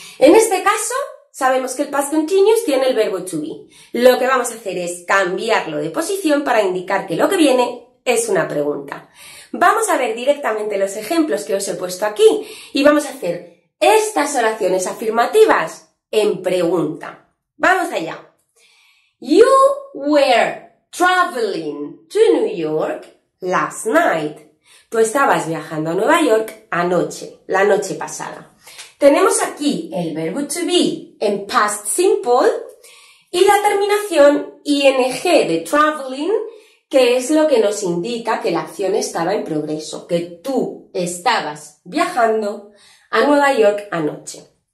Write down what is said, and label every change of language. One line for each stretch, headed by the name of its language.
Spanish: En este caso, sabemos que el past continuous tiene el verbo to be. Lo que vamos a hacer es cambiarlo de posición para indicar que lo que viene es una pregunta. Vamos a ver directamente los ejemplos que os he puesto aquí y vamos a hacer estas oraciones afirmativas en pregunta. ¡Vamos allá!
English: You were traveling to New York last night.
Spanish: Tú estabas viajando a Nueva York anoche, la noche pasada. Tenemos aquí el verbo to be en past simple y la terminación ing de traveling, que es lo que nos indica que la acción estaba en progreso, que tú estabas viajando a Nueva York anoche.